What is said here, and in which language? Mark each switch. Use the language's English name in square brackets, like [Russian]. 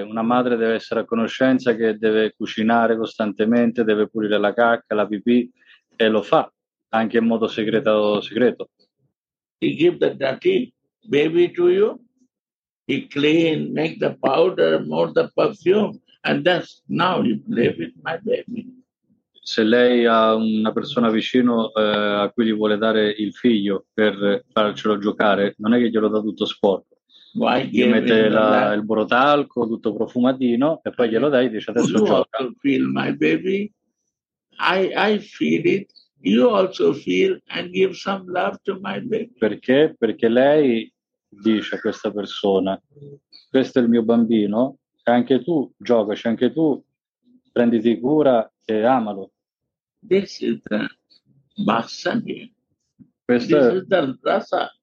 [Italian] Una madre deve essere a conoscenza che deve cucinare costantemente, deve pulire la cacca, la pipì, e lo fa, anche in modo segreto o segreto. [English] He give the dirty baby to you. He clean, make the powder, more the perfume, and that's now you play with my baby. [Italian] Se lei ha una persona vicino a cui gli vuole dare il figlio per farcelo giocare, non è che glielo dà tutto sporco. Gli mette il borotalco, tutto profumatino, e poi glielo dai e dice adesso [English] you [Italian] gioca. [English] You also feel my baby. I feel it. You also feel and give some love to my baby. [Italian] Perché? Perché lei dice a questa persona, questo è il mio bambino, e anche tu giocaci, anche tu prenditi cura e amalo. [English] This is the Vatsalya. [Italian] Questo [English] this is the rasa.